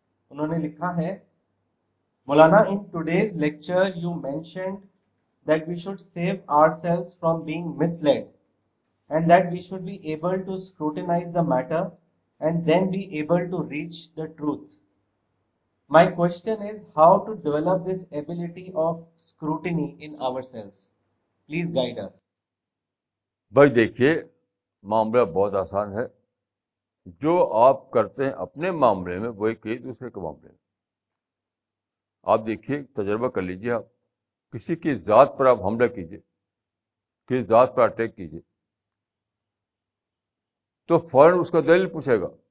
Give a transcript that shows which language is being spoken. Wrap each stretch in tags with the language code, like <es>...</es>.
<ur>انہوں نے لکھا ہے,</ur> <en>مولانا, in today's lecture you mentioned that we should save our selves from being misled and that we should be able to scrutinize the matter and then be able to reach the truth. My question is how to develop this ability of scrutiny in ourselves. Please guide us.</en> <ur>بھائی دیکھیے, معاملہ بہت آسان ہے. جو آپ کرتے ہیں اپنے معاملے میں وہی کہیں دوسرے کے معاملے میں. آپ دیکھیے, تجربہ کر لیجیے, آپ کسی کی ذات پر آپ حملہ کیجیے, کسی ذات پر اٹیک کیجیے, تو فوراً اس کا دلیل پوچھے گا</ur>